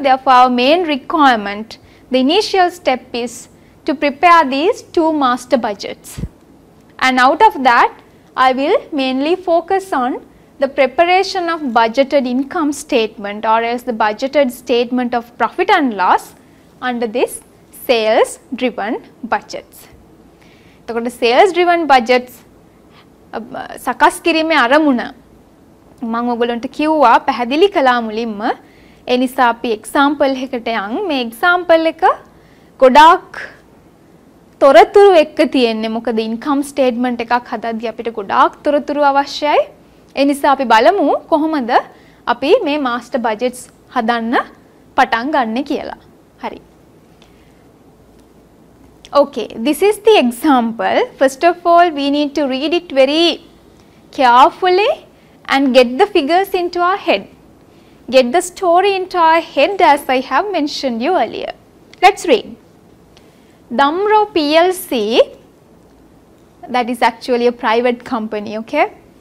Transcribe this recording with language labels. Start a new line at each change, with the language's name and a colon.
English: Therefore, our main requirement, the initial step is to prepare these two master budgets. And out of that, I will mainly focus on the preparation of budgeted income statement or else the budgeted statement of profit and loss under this sales driven budgets.
Sinhala: එතකොට sales driven budgets සකස් කිරීමේ අරමුණ මම ඔයගලන්ට කිව්වා පැහැදිලි කළා මුලින්ම. ඒ නිසා අපි example එකට යන්. මේ example එක ගොඩාක් තොරතුරු එක්ක තියෙන්නේ. මොකද income statement එකක් හදද්දී අපිට ගොඩාක් තොරතුරු අවශ්‍යයි. ඒ නිසා අපි බලමු කොහොමද අපි මේ master budgets හදන්න පටන් ගන්න කියලා. හරි.
English: Okay, this is the example. First of all, we need to read it very carefully and get the figures into our head. Get the story into our head as I have mentioned you earlier. Let's read. Damro PLC, that is actually a private company, okay.